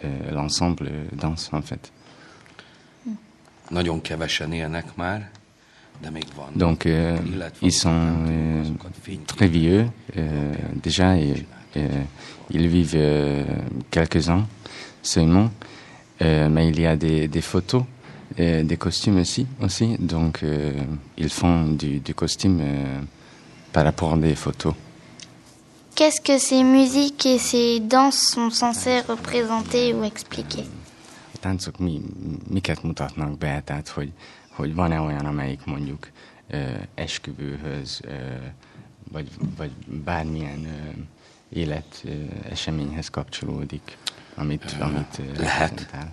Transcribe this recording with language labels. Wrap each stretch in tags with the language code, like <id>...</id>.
<fr>L'ensemble danse en fait.</fr> <hu>Nagyon kevesen élnek már, de még van.</hu> <fr>Donc ils sont très vieux déjà et ils vivent quelques-uns seulement, mais il y a des photos des costumes aussi donc ils font du costume par rapport à des photos. Qu'est-ce que ces musiques et ces danses sont censées représenter ou expliquer?</fr> <hu>Táncok miket mutatnak be, tehát hogy van-e olyan, amelyik mondjuk esküvőhöz, vagy bármilyen élet eseményhez kapcsolódik, amit lehet.</hu>